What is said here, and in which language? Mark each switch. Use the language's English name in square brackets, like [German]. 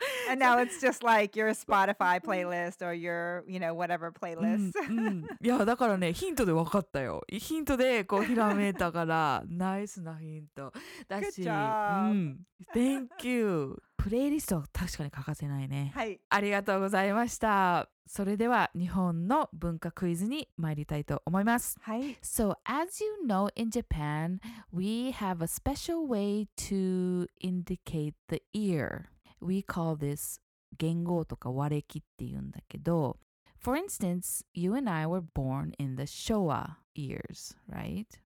[English] And now it's just like your Spotify playlist or your, you know, whatever playlist. [Japanese] うん、うん、いや、だからね、ヒントでわかったよ。ヒントでこうひらめいたから、ナイスなヒントだし。 [English] Good job. うん。Thank you. [Japanese] プレイリストは確かに欠かせないね。はい。ありがとうございました。それでは日本の文化クイズに参りたいと思います。はい。 [English] So, as you know, in Japan, we have a special way to indicate the year. We call this [Japanese] 元号とか割れ期っていうんだけど、 [English] For instance, you and I were born in the Showa years, right?